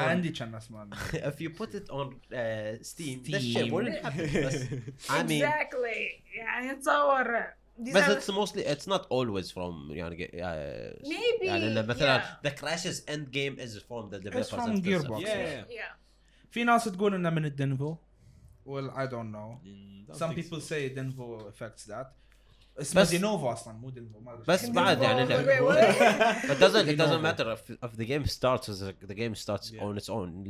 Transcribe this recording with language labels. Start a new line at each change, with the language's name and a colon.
English: Andy Chanasman. If you put it on Steam. This shit wouldn't happen. Exactly. Yeah, it's our But it's mostly it's not always from the crashes end game is from the developers. It's from Gearbox. Yeah.
Arabic: في ناس تقول إنه من الدنفو.
English: Well, I don't know. Some people say Denvo affects that.
Arabic: بس بعد يعني لا
English: it doesn't matter if the game starts as the game starts on its own.